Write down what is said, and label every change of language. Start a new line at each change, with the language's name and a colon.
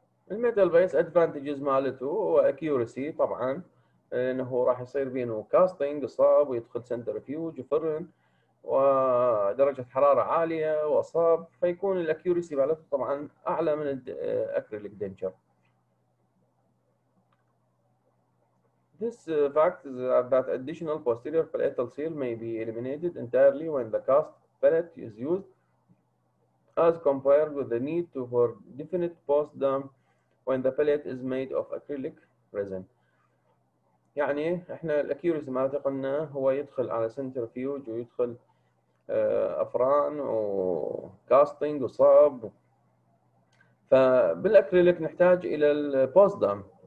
Arabic: الميتال بيس ادفانتجز مالته هو اكيورسي طبعا، انه راح يصير بينه كاستنج صاب ويدخل سنترفيوج وفرن ودرجة حرارة عالية وصاب، فيكون الاكيورسي مالته طبعا اعلى من الاكريليك دنشر.
English: This fact is that additional posterior palatal seal may be eliminated entirely when the cast pellet is used as compared with the need to for definite post dam when the pellet is made of acrylic resin.
Arabic: يعني احنا الاكيورسي ما قلنا هو يدخل على سنترفيوج ويدخل افران وكاستنج وصاب، فبالاكريليك نحتاج الى البوست دام.